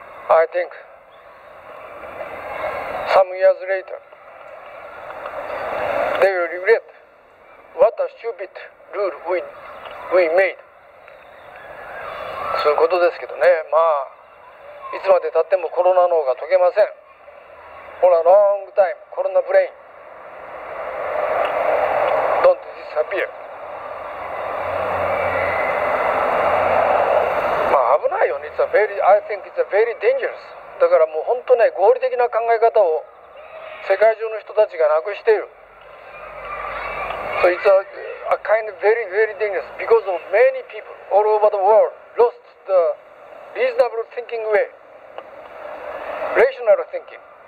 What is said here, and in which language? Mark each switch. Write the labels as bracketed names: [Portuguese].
[English] I think some years later they will regret what a stupid rule we made [Japanese] そういうことですけどね。まあいつまで経ってもコロナの方が解けません。 [English] ほら long time コロナブレイン don't disappear it's a very, I think it's a very dangerous. [Japanese] だからもう本当ね、合理的な考え方を世界中の人たちがなくしている。 [English] So it's a kind of very, very dangerous because of many people all over the world lost the reasonable thinking way, rational thinking.